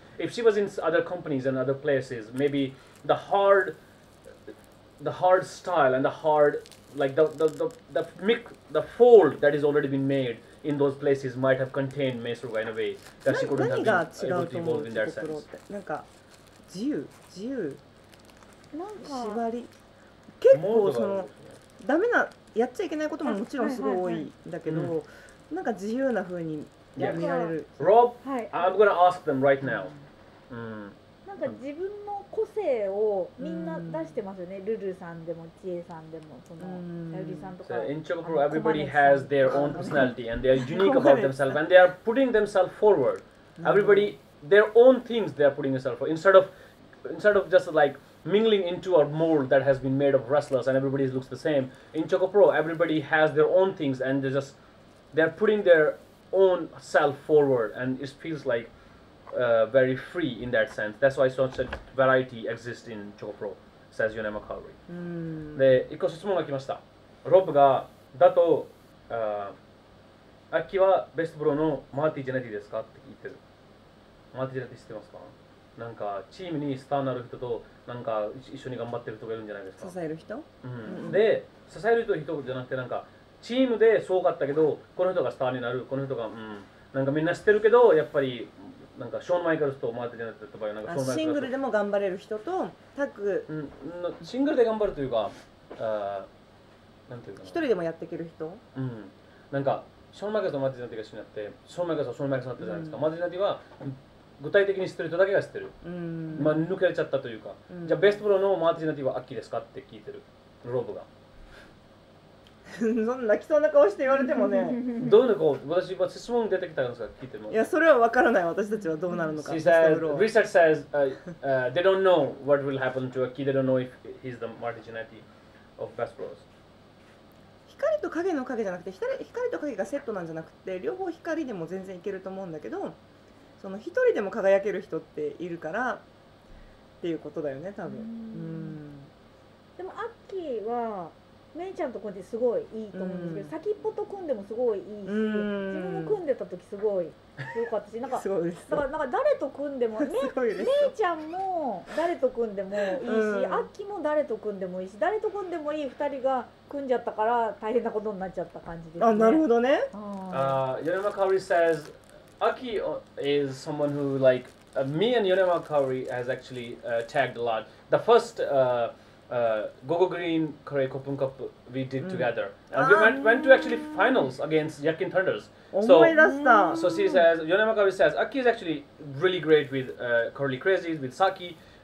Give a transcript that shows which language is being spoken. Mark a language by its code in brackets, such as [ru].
[en] If she was in other companies and other places, maybe the hard style and the hard, like the fold that has already been made in those places might have contained Meisuru in a way that she couldn't have been able to evolve in that sense. [ja] なんか自由、自由、なんか縛り、結構そのダメな、やっちゃいけないことももちろんすごい多いんだけど、なんか自由な風に見られる。 [en] Rob,、 [ja] はい、 [en] I'm gonna ask them right now. [ja] なんか自分の個性をみんな出してますよね。ルルさんでも、チエさんでも、ヤユリさんとか。 [en] In Choco Pro, everybody has their own personality and they are unique about themselves and they are putting themselves forward. Everybody, their own things they are putting themselves for. Instead of just like mingling into a mold that has been made of wrestlers and everybody looks the same. In Choco Pro, everybody has their own things and they justThey're putting their own self forward, and it feels like very free in that sense. That's why such a variety exists in Choco Pro, says Yonema Kaori. [ja] で、一個質問が来ました。ロブが、だと、アキはベストプロのマーティ・ジェネティですかって聞いてる。マーティ・ジェネティ知ってますか？なんか、チームにスターになる人と、なんか、一緒に頑張ってる人がいるんじゃないですか？支える人？うん。で、支える人じゃなくて、なんか、チームでそうかったけど、この人がスターになる、この人が、うん、なんかみんな知ってるけど、やっぱり、なんかショーン・マイケルズとマーティ・ジェネティとか、なんかシングルでも頑張れる人と、タッグ、うん、シングルで頑張るというか、なんていうかな、一人でもやっていける人、うん、なんか、ショーン・マイケルズとマーティ・ジェネティが一緒になって、ショーン・マイケルズはショーン・マイケルズだったじゃないですか、マーティ・ジェネティは、具体的に知ってる人だけが知ってる、まあ、抜けちゃったというか、じゃあ、ベストプロのマーティ・ジェネティはアッキーですかって聞いてる、ロープが。そんな泣きそうな顔して言われてもね。どうなるか、私は質問出てきたんですが、聞いても。いや、それは分からない、私たちはどうなるのか。 [en] She says, research says, they don't know what will happen to Aki. They don't know if he's the Marty Jannetty of Best Bros. [ja] 光と影の影じゃなくて、光と影がセットなんじゃなくて、両方光でも全然いけると思うんだけど、その一人でも輝ける人っているからっていうことだよね、多分。でも、アッキーは、メイちゃんと組んですごいいいと思うんですけど、先っぽと組んでもすごいいいし、自分も組んでた時すごい良かったし、なんかすごいです。だからなんか誰と組んでも、メイちゃんも誰と組んでもいいし、アッキーも誰と組んでもいいし、誰と組んでもいい2人が組んじゃったから大変なことになっちゃった感じですね。あ、なるほどね。 [en] Yonema Kaori says, Aki is someone who like, me and Yonema Kaori has actually tagged a lot. The first, Gogo Green Korea Open Cup we did together. And we went to actually finals against Yakin Thunders. So she says, Yonema Kaori says, Aki is actually really great with Curly Crazies, with Saki.